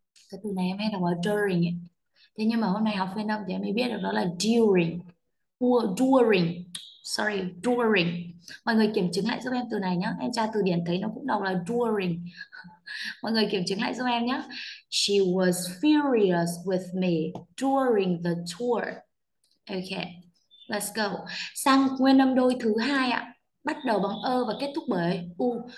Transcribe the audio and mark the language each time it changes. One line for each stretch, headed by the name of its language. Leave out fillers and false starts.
Vietnamese: Cái từ này em hay đọc là during ấy. Thế nhưng mà hôm nay học phiên âm thì em mới biết được đó là during. During. Sorry, during. Mọi người kiểm chứng lại giúp em từ này nhé. Em tra từ điển thấy nó cũng đọc là during. Mọi người kiểm chứng lại giúp em nhé.
English: She was furious with me during the tour. Okay. Let's go.
Vietnamese: Sang nguyên âm đôi thứ hai ạ. Bắt đầu bằng ơ và kết thúc bởi u.